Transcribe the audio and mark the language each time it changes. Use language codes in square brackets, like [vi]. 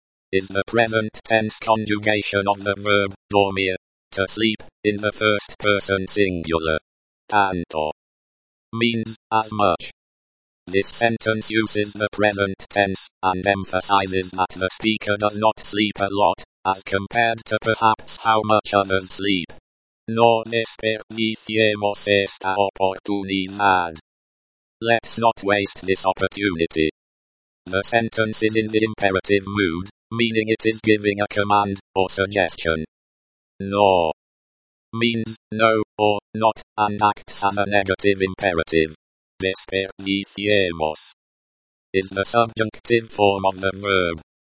[en] Is the present tense conjugation of the verb, dormir, to sleep, in the first person singular. [es] Tanto. [en] Means, as much. This sentence uses the present tense, and emphasizes that the speaker does not sleep a lot, as compared to perhaps how much others sleep. [es] No desperdiciemos esta oportunidad. [en] Let's not waste this opportunity. The sentence is in the imperative mood, meaning it is giving a command, or suggestion. [es] No. [en] means no or not and acts as a negative imperative. Desperdiciemos is the subjunctive form of the verb